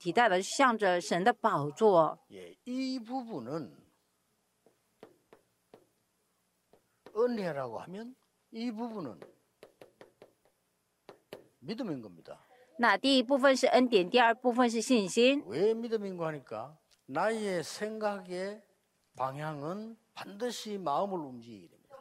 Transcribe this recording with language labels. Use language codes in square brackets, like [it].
[zh] 所以我们刚才提到的这些呢，用神的话语替代了，向着神的宝座。 [ko] 예, 이 부분은 은혜라고 하면 이 부분은 믿음인 겁니다. [zh] 那第一部分是恩典，第二部分是信心。 [ko] 왜 믿음인 거 하니까 나의 생각의 방향은 반드시 마음을 움직이게 됩니다.